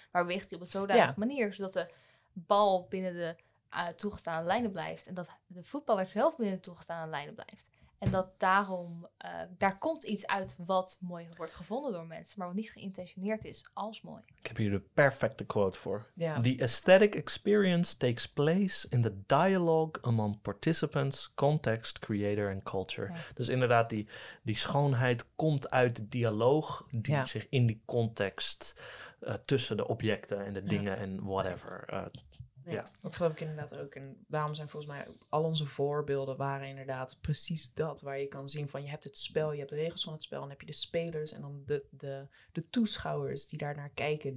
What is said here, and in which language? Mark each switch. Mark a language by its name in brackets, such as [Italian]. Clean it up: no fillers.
[Dutch] Maar beweegt hij op een zodanige manier, zodat de bal binnen de toegestaande lijnen blijft. En dat de voetballer zelf binnen de toegestaande lijnen blijft. En dat daarom, daar komt iets uit wat mooi wordt gevonden door mensen, maar wat niet geïntentioneerd is als mooi. Ik heb hier de perfecte quote voor. Yeah. [English] The aesthetic experience takes place in the dialogue among participants, context, creator and culture. Yeah. [Dutch] Dus inderdaad, die schoonheid komt uit de dialoog die zich in die context tussen de objecten en de dingen en whatever... Dat geloof ik inderdaad ook. En daarom zijn volgens mij al onze voorbeelden waren inderdaad precies dat. Waar je kan zien van je hebt het spel, je hebt de regels van het spel. En dan heb je de spelers en dan de toeschouwers die daar naar kijken.